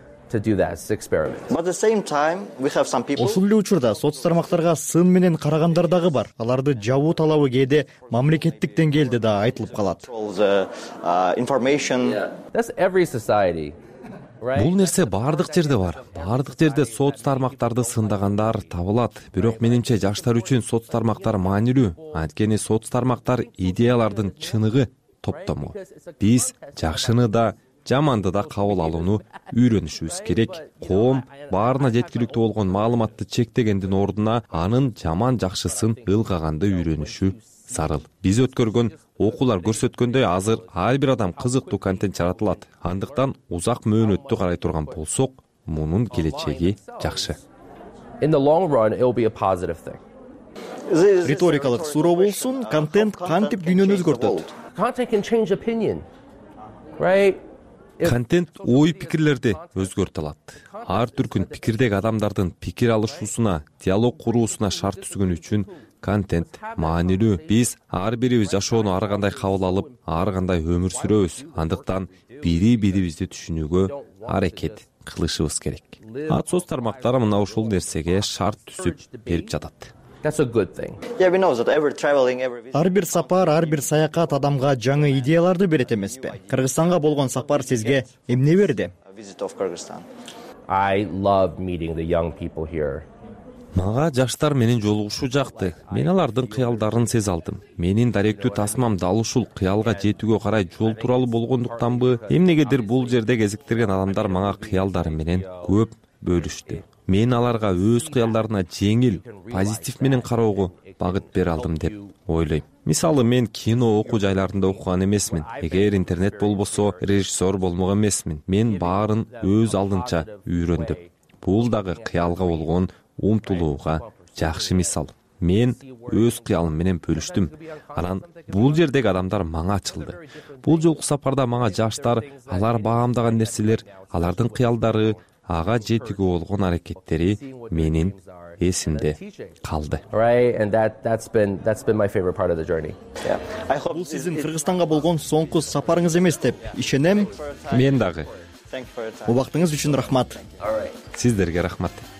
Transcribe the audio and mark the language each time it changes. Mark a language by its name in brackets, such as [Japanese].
[English] To do that, it's experiment. But at the same time, we have some people. [Kyrgyz] Ошол эле учурда соц тармактарга сын менен карагандар дагы бар. Аларды жабуу талабы кээде мамлекеттик деңгээлде да айтылып калат. [English] Information. That's every society. [Kyrgyz] Бул нерсе бардык жерде бар. Бардык жерде соц тармактарды сындагандар табылат. Бирок менимче жаштар үчүн соц тармактар маанилүү. Анткени соц тармактар идеялардын чыныгы топтому. Биз жакшыны да жаманды да кабыл алууну үйрөнүшүбүз керек. Коом баарына жеткиликтүү болгон маалыматты чектегендин ордуна анын жаман жакшысын ылгаганды үйрөнүшү зарыл. Биз өткөргөн окуулар көрсөткөндөй, азыр ар бир адам кызыктуу контент жаратылат. Андыктан узак мөөнөттү карай турган болсок, мунун келечеги жакшы. [English] In the long run, it will be a positive thing. [Kyrgyz] Риторикалык суроо болсун, контент кантип дүйнөнү өзгөртөт? [English] Content can change opinion. Right? [Kyrgyz] Контент ой пикирлерди өзгөртө алат. Ар түркүн пикирдеги адамдардын пикир алышуусуна, диалог куруусуна шарт түзгөн үчүн контент маанилүү. Биз ар бирибиз жашоону ар кандай кабыл алып, ар кандай өмүр сүрөбүз. Андыктан бири бирибизди түшүнүүгө аракет кылышыбыз керек. Соц тармактар мына ушул нерсеге шарт түзүп берип жатат. [English] That's a good thing. Yeah, we know that every traveling, every visit. [Kyrgyz] Ар бир сапар, ар бир саякат адамга жаңы идеяларды берет эмеспи? Кыргызстанга болгон сапар сизге эмне берди? [English] Visit of Kyrgyzstan. I love meeting the young people here. [Kyrgyz] Мага жаштар менен жолугушуу жакты. Мен алардын кыялдарын сез алдым. Менин даректүү тасмам дал ушул кыялга жетүүгө карай жол тууралуу болгондуктанбы? Эмнегедир бул жерде кезиктирген адамдар мага кыялдары менен көп бөлүштү. Мен аларга өз кыялдарына жеңил, позитив менен кароого багыт бере алдым деп ойлойм. Мисалы, мен кино окуу жайларында окуган эмесмин. Эгер интернет болбосо, режиссер болмок эмесмин. Мен баарын өз алдынча үйрөндүм. Бул дагы кыялга болгон умтулууга жакшы мисал. Мен өз кыялым менен бөлүштүм. Анан бул жердеги адамдар мага ачылды. Бул жолку сапарда мага жаштар, алар баамдаган нерселер, алардын кыялдары, ага жетиги болгон аракеттери менин эсимде калды. [English] That's been my favorite part of the journey. Yeah. I hope [Kyrgyz] бул сиздин Кыргызстанга болгон соңку сапарыңыз эмес деп ишенем. Мен дагы. Убактыңыз үчүн рахмат. Сиздерге рахмат.